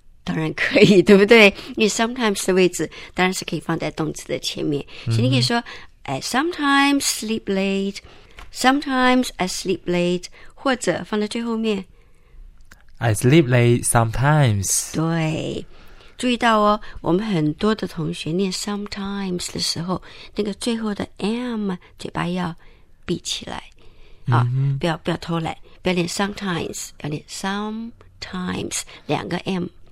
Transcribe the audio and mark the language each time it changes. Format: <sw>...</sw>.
<zh>当然可以，对不对？因为 sometimes 的位置当然是可以放在动词的前面，所以你可以说 I sometimes sleep late.</zh> <en>Sometimes I sleep late, 或者放在最后面。 I sleep late sometimes.</en> <zh>对，注意到哦，我们很多的同学念 sometimes 的时候，那个最后的 m 嘴巴要闭起来，啊，不要偷懒，不要念 sometimes, 要念 sometimes 两个 m。</zh>